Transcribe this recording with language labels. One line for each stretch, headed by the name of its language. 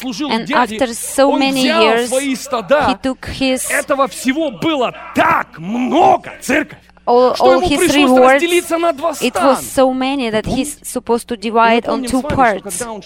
English: And after so many years, he took his...
Russian: Этого всего было так много, церковь.
English: All his rewards, it was so many that he's supposed to divide on two parts.